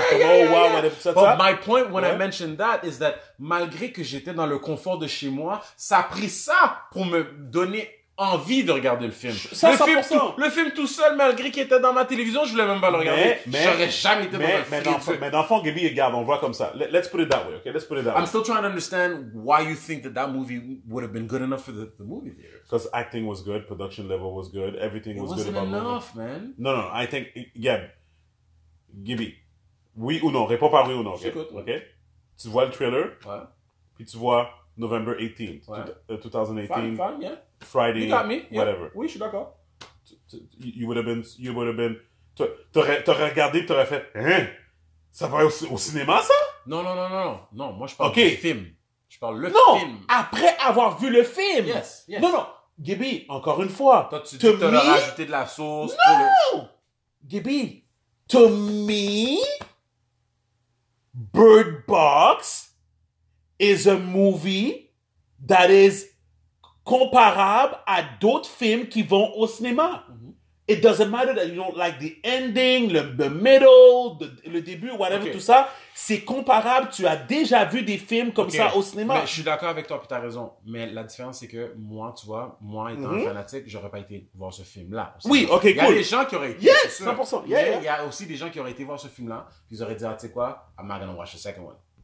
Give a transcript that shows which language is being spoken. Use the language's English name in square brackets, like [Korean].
[English] But my point when I mentioned that is that [French] malgré que j'étais dans le confort de chez moi, ça a pris ça pour me donner envie de regarder le film. Ça, le 100%. Le film tout seul, malgré qu'il était dans ma télévision, je voulais même pas le regarder. Mais, j'aurais jamais été dans le film. Mais dans le fond, Gibby, regarde, on voit comme ça. [English] Let's put it that way. I'm still trying to understand why you think that movie would have been good enough for the movie theater. Because acting was good, production level was good, everything was good about enough, the movie. It wasn't enough, man. No, I think, yeah. [French] Gibby, oui ou non? Réponds par oui ou non, okay? J'écoute, ouais. OK? Tu vois le trailer, ouais. Puis tu vois [English] November 18th, [French] ouais. 2018. [English] Fine, yeah. Friday, whatever. [French] Oui, je suis d'accord. [English] You would have been... [French] T'aurais regardé, t'aurais fait... Hein? Ça va au cinéma, ça? Non. Non, moi, je parle du film. Je parle le film. Non, après avoir vu le film. [English] Yes. [French] Non. Gabby, encore une fois. Toi, tu te t'aurais rajouté de la sauce. Non! Pour le... [English] Gabby, to me, Bird Box is a movie that is comparable [French] à d'autres films qui vont au cinéma. [English] It doesn't matter that you don't like the ending, the middle, [French] le début, [English] whatever, okay. [French] Tout ça. C'est comparable. Tu as déjà vu des films comme ça au cinéma. Mais je suis d'accord avec toi, puis tu as raison. Mais la différence, c'est que moi, tu vois, moi étant fanatique, j'aurais pas été voir ce film-là. Oui, OK, cool. Il y a des gens qui auraient été. [English] Yes, 100%. [French] Il y a aussi des gens qui auraient été voir ce film-là, puis ils auraient dit, ah, tu sais quoi, [English] I'm not going to watch the second one.